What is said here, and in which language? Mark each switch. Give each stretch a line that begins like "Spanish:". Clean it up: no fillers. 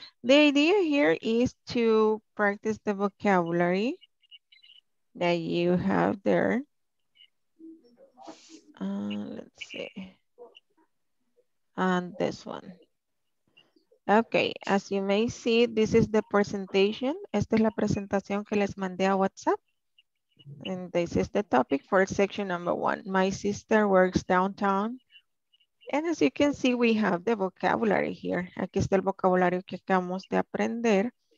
English: The idea here is to practice the vocabulary that you have there. Let's see. And this one. Okay, as you may see, this is the presentation.
Spanish: Esta es la presentación que les mandé a WhatsApp.
English: And this is the topic for section number one. My sister works downtown. And as you can see, we have the vocabulary here.
Spanish: Aquí está el vocabulario que acabamos de aprender.